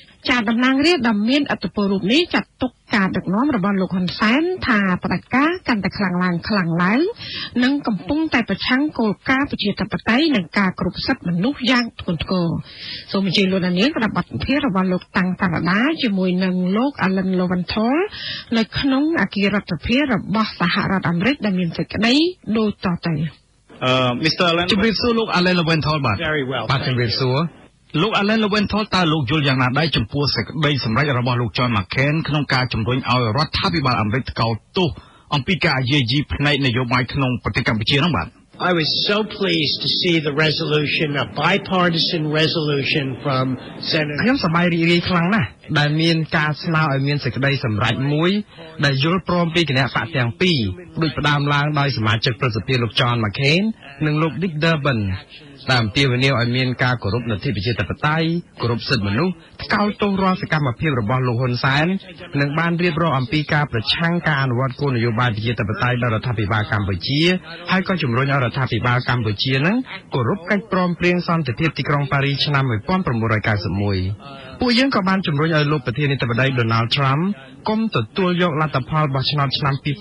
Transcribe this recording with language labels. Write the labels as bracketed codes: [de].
[km] ចាតំណាងរាស្ត្រដ៏មានឥទ្ធិពលរូបនេះចាត់ទុកការដឹកនាំរបស់លោកហ៊ុនសែនថាបដិការកាន់តែខ្លាំងឡើងខ្លាំងឡើងនិងកំពុងតែប្រឆាំងគោលការណ៍ប្រជាធិបតេយ្យនិងការគ្រប់សិទ្ធិមនុស្សយ៉ាងធ្ងន់ធ្ងរសូមអញ្ជើញលោកនាងក្រុមប្រឹក្សាភិបាលរបស់លោកតាំងសារដាជាមួយនឹងលោកអាឡិនលូវិនថុលនៅក្នុងអគាររដ្ឋាភិបាលរបស់សហរដ្ឋអាមេរិកដែលមានសេចក្តីដូចតទៅ ជម្រាបសួរលោកអាឡិនលូវិនថុលបាទបាទជម្រាបសួរលោកអាឡែនលូវិនថុលតើលោកយល់យ៉ាងណាដែរចំពោះសេចក្តីសម្រេចរបស់លោកចនម៉ាខេនក្នុងការជំរុញឲ្យរដ្ឋាភិបាលអាមេរិកកោតទោសអំពីការយាយីផ្នែកនយោបាយក្នុងប្រទេសកម្ពុជានោះបាទ [en] I was so pleased to see the resolution, a bipartisan resolution from Senator [km] ខ្ញុំសប្បាយរីករាយខ្លាំងណាស់ដែលមានការស្នើឲ្យមានសេចក្តីសម្រេចមួយដែលយល់ព្រមពីគណៈបកទាំងពីរដូចផ្ដើមឡើងដោយសមាជិកប្រសិទ្ធិលោកចនម៉ាខេននិងលោក Dick Durbin តាមទីវនីឲ្យមានការគោរពនតិវិជាតបតៃគោរពសិទ្ធិមនុស្សថ្កោលទោសរាល់សកម្មភាពរបស់លោកហ៊ុនសែននិងបានរៀបរាប់អំពីការប្រឆាំងការអនុវត្តគោលនយោបាយវិជាតបតៃដល់រដ្ឋាភិបាលកម្ពុជាហើយក៏ជំរុញឲ្យរដ្ឋាភិបាលកម្ពុជានឹងគោរពកិច្ចព្រមព្រៀងសន្តិភាពទីក្រុងប៉ារីសឆ្នាំ1991ពួកយើងក៏បានជំរុញឲ្យលោកប្រធានាធិបតី Donald Trump គុំទទួលយកលទ្ធផលបោះឆ្នោតឆ្នាំ